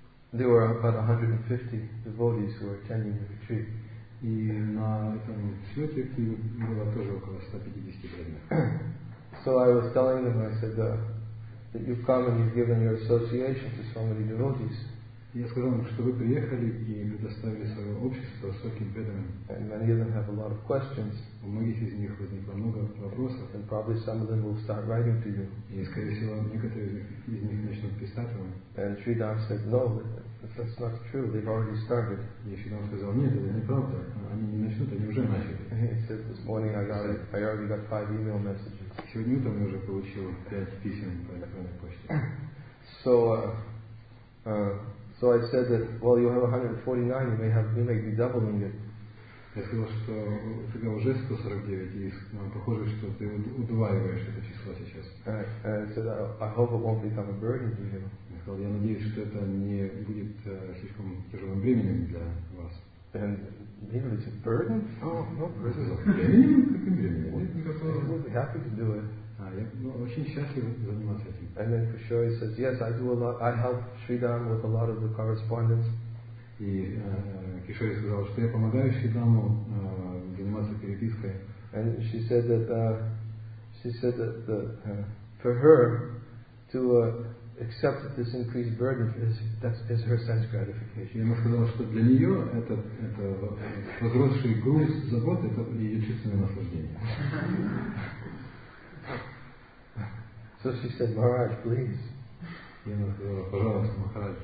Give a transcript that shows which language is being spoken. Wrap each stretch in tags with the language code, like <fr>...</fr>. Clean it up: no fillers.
<en>There were about 150 devotees who were attending the retreat.</en> <ru>И на этом свете было тоже около 150 преданных.</ru> <en>So I was telling them, I said that you've come and you've given your association to so many devotees.</en> <ru>Я сказал им, что вы приехали и предоставили свое общество стольким преданным.</ru> <en>And many of them have a lot of questions.</en> <ru>У многих из них возникло много вопросов.</ru> <en>And probably some of them will start writing to you.</en> <ru>И скорее всего некоторые из них начнут писать вам.</ru> <en>And Shridhar said, no, that's not true. They've already started.</en> <ru>И Шридхар сказал, нет, это неправда. Они не начнут, они уже начали.</ru> <en>He said, this morning I already got 5 email messages.</en> <ru>Сегодня утром я уже получил 5 писем по электронной почте.</ru> <en>So So I said that, well, you have 149, you may be doubling it.</en> <ru>Я сказал, что у тебя уже 149, и похоже, что ты удваиваешь это число сейчас.</ru> <en>And I said, I hope it won't become a burden to you.</en> <ru>Я сказал, я надеюсь, что это не будет слишком тяжелым бременем для вас.</ru> <en>And maybe it's a burden? Oh, no, it's a burden.</en> <ru>Очень счастлив заниматься этим.</ru> <en>And then Kishore says, yes, I do a lot. I help Shridam with a lot of the correspondence.</en> <ru>И Кишори сказал, что я помогаю Шридаму заниматься перепиской.</ru> <en>And she said that for her to accept this increased burden is her sense gratification.</en> <ru>Я ему сказал, что для нее это возросший груз забот, это ее чувственное наслаждение.</ru> <en>So she said, Maharaj, please.</en> <ru>И она сказала, пожалуйста, Махарадж.</ru>